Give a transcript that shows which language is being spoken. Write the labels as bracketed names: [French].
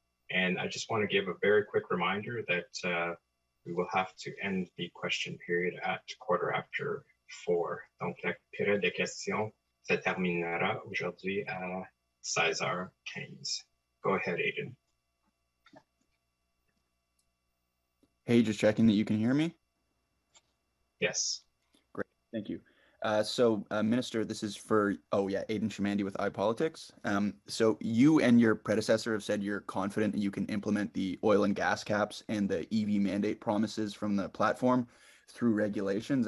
[English] And I just want to give a very quick reminder that we will have to end the question period at 4:15. [French] Donc, la période de questions se terminera aujourd'hui à 16:15. [English] Go ahead, Aiden. Hey, just checking that you can hear me? Yes. Great, thank you. So, Minister, this is for, Aiden Chamandi with iPolitics. So you and your predecessor have said you're confident that you can implement the oil and gas caps and the EV mandate promises from the platform through regulations.